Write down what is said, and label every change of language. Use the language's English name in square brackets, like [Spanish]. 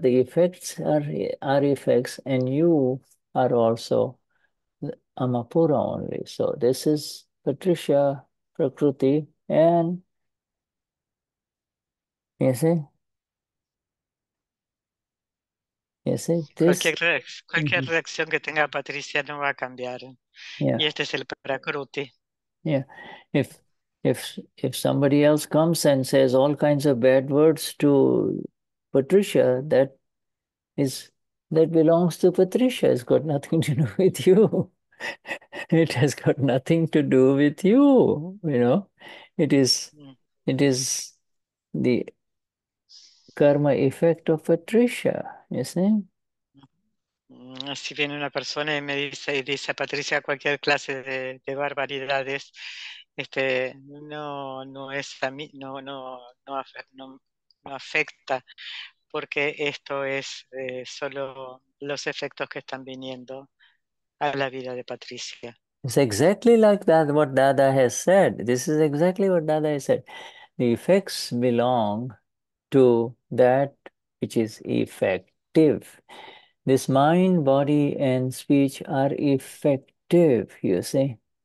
[English] The effects are effects, and you are also Amapura only. So this is Patricia, Prakruti, and you see, this... [Spanish] Cualquier reacción que tenga Patricia no va a cambiar. [English] Yeah. [Spanish] Y este es el Prakruti. [English] Yeah. If somebody else comes and says all kinds of bad words to Patricia, that belongs to Patricia. It's got nothing to do with you. It has got nothing to do with you, you know. It is the karma effect of attrition, you see? [Spanish] Si viene una persona y me dice, y dice a Patricia cualquier clase de barbaridades, no, no es a mí, no, no, no, no, no, no afecta, porque esto es solo los efectos que están viniendo a la vida de Patricia. [English] It's exactly like that, what Dada has said. This is exactly what Dada has said. The effects belong to that which is effective. This mind, body, and speech are effective, you see.